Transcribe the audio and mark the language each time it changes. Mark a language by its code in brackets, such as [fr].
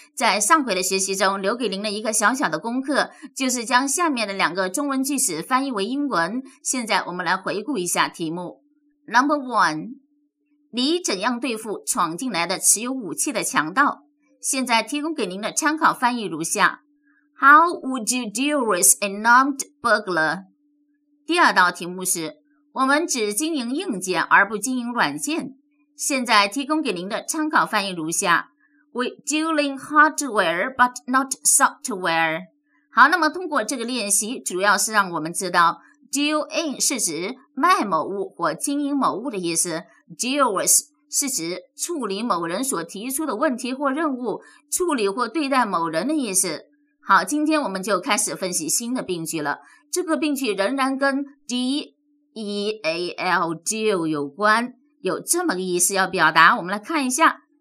[zh] 在上回的学习中，留给您了一个小小的功课，就是将下面的两个中文句子翻译为英文。现在我们来回顾一下题目。 [en] Number one， [zh] 你怎样对付闯进来的持有武器的强盗？现在提供给您的参考翻译如下。 [en] How would you deal with an armed burglar? [zh] 第二道题目是，我们只经营硬件而不经营软件。现在提供给您的参考翻译如下。 [en] We deal in hardware but not software. [zh] 好，那么通过这个练习，主要是让我们知道 deal in 是指卖某物或经营某物的意思， deal with是指处理某人所提出的问题或任务，处理或对待某人的意思。好，今天我们就开始分析新的病句了。这个病句仍然跟 deal 有关，有这么个意思要表达，我们来看一下。